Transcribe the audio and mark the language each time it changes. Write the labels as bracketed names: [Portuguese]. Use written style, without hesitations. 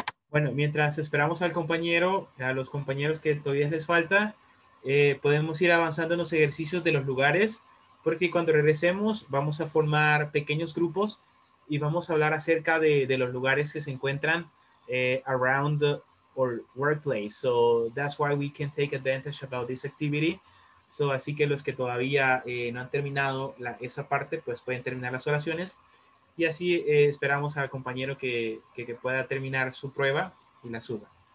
[Spanish] Bueno, mientras esperamos al compañero, a los compañeros que todavía les falta, podemos ir avanzando en los ejercicios de los lugares, porque cuando regresemos vamos a formar pequeños grupos y vamos a hablar acerca de los lugares que se encuentran [English] around our workplace. So that's why we can take advantage about this activity. [Spanish] So, así que los que todavía no han terminado esa parte, pues pueden terminar las oraciones. Y así esperamos al compañero que pueda terminar su prueba y la suba.